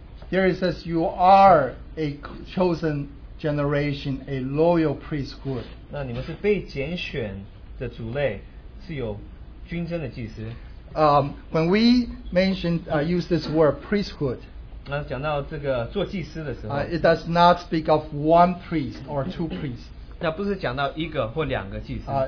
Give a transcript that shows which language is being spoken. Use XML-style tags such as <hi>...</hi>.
<en>here it says you are a chosen generation, a loyal priesthood.</en> <zh>那你们是被拣选的族类，是有君尊的祭司。</zh> <en>When we mentioned use this word priesthood,</en> <zh>那讲到这个做祭司的时候，</zh> <en>it does not speak of one priest or two priests.</en> <zh>那不是讲到一个或两个祭司。</zh>